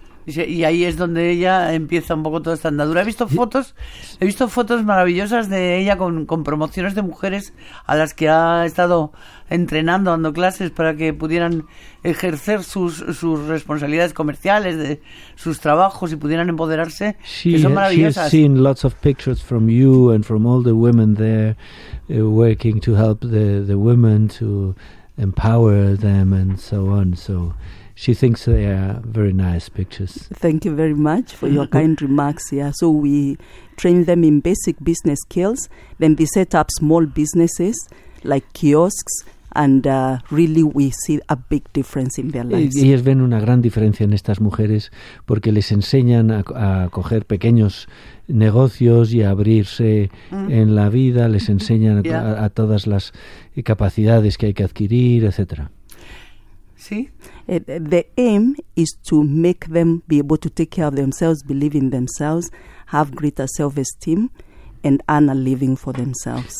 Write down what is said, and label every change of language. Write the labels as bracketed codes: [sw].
[es] Y ahí es donde ella empieza un poco toda esta andadura. He visto fotos maravillosas de ella con promociones de mujeres a las que ha estado entrenando, dando clases para que pudieran ejercer sus responsabilidades comerciales de sus trabajos y pudieran empoderarse, que son maravillosas. [en] She has seen lots of pictures from you and from all the women there working to help the women to empower them and so on. So she thinks they are very nice pictures. Thank you very much for your kind remarks. Yeah. So we train them in basic business skills, then they set up small businesses like kiosks, and really we see a big difference in their lives. [es] Ellas ven una gran diferencia en estas mujeres porque les enseñan a coger pequeños negocios y a abrirse en la vida, les enseñan a todas las capacidades que hay que adquirir, etcétera. Sí. [en] The aim is to make them be able to take care of themselves, believe in themselves, have greater self-esteem, and earn a living for themselves.